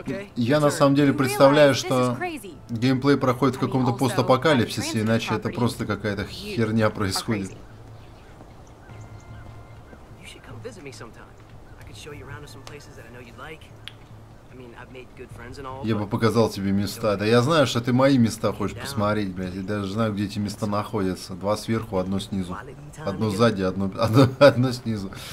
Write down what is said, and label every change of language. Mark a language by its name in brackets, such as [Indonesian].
[Russian] Okay. Я на самом деле представляю, что геймплей проходит в каком-то постапокалипсисе, иначе это просто какая-то херня происходит. [English] You should come visit me sometime. I could show you around to some places that I know you'd like. I mean, I've made good friends and all, [Russian] я бы показал тебе места. Да я знаю, что ты мои места хочешь посмотреть, блядь. Я даже знаю, где эти места находятся. Два сверху, одно снизу. Одно сзади, одно снизу.